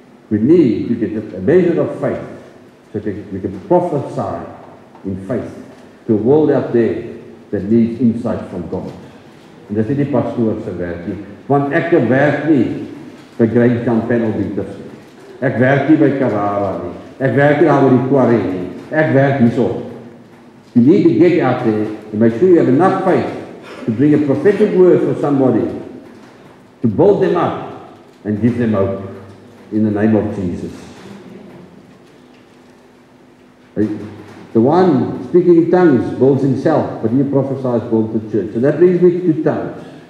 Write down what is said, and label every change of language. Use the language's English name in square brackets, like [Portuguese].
[English] We need to get a measure of faith so that we can prophesy in faith to a world out there that needs insight from God. And that's the pastor of the [Afrikaans] want ek werk nie by Grainkan [English] penalty this. [Afrikaans] Ek werk nie by Carrara nie. Ek werk nie aan die quarry nie. Ek werk hierso. [English] You need to get out there and make sure you have enough faith to bring a prophetic word for somebody, to build them up and give them hope in the name of Jesus. The one speaking in tongues builds himself, but he prophesies builds the church. So that brings me to tongues.